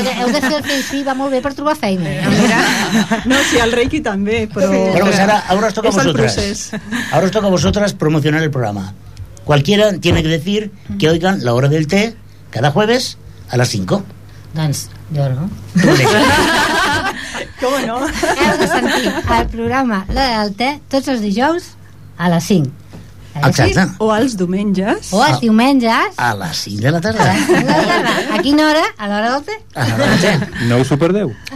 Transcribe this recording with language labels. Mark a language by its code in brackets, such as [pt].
[ca] Heu de fer el que sí, va molt bé per trobar feina. No, sí, el Reiki també, però... [es] Bueno, pues ahora os toca a vosotras. Ahora os toca a vosotras promocionar el programa. Cualquiera tiene que decir que oigan la hora del té cada jueves a las 5. [ca] Doncs, jo no. [es] ¿Cómo no? [ca] Heu de sentir el programa la del té tots els dijous a les 5. Exacte. O els diumenges. O els diumenges. A les 5 de la tarda. A quina hora? A l'hora del té? A l'hora del té. No us ho perdeu.